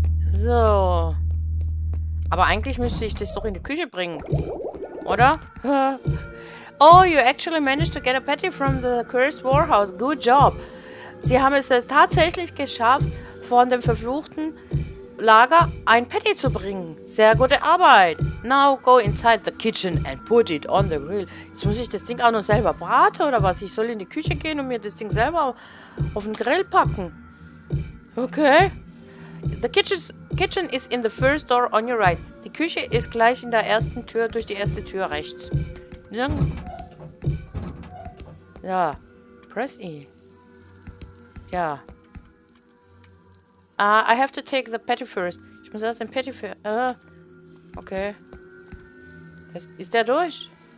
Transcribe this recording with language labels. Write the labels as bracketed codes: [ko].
[de] So. Aber eigentlich müsste ich das doch in die Küche bringen. Oder? [en] Oh, you actually managed to get a patty from the cursed warehouse. Good job. [de] Sie haben es tatsächlich geschafft, von dem verfluchten Lager ein Patty zu bringen. Sehr gute Arbeit. [en] Now go inside the kitchen and put it on the grill. [de] Jetzt muss ich das Ding auch noch selber braten oder was? Ich soll in die Küche gehen und mir das Ding selber auf den Grill packen. Okay. [en] The kitchen is in the first door on your right. [de] Die Küche ist gleich in der ersten Tür, durch die erste Tür rechts. Ja. Press E. Ja. [en] I have to take the patty first. [de] Ich muss erst den Patty für... Okay. Das, ist der durch?